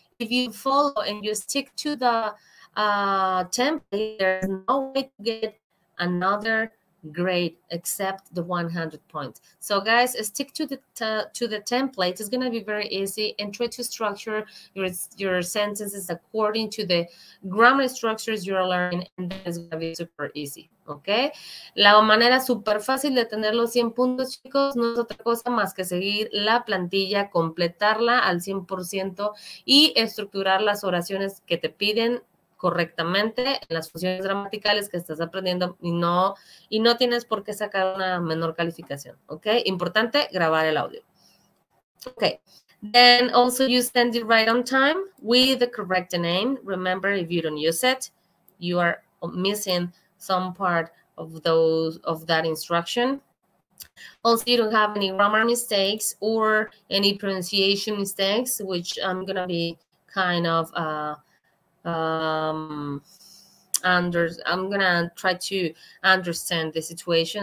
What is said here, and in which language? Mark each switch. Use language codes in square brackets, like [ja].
[en] If you follow and you stick to the template, there's no way to get another grade except the 100 points. So guys, stick to the template. It's going to be very easy, and try to structure your sentences according to the grammar structures you're learning, and then it's going to be super easy, okay? [es] La manera super fácil de tener los 100 puntos, chicos, no es otra cosa más que seguir la plantilla, completarla al 100% y estructurar las oraciones que te piden correctamente en las funciones gramaticales que estás aprendiendo, y no tienes por qué sacar una menor calificación, ¿ok? Importante grabar el audio. Okay. [en] Then also you send it right on time with the correct name. Remember, if you don't use it, you are missing some part of that instruction. Also, you don't have any grammar mistakes or any pronunciation mistakes, which I'm gonna be kind of I'm gonna try to understand the situation.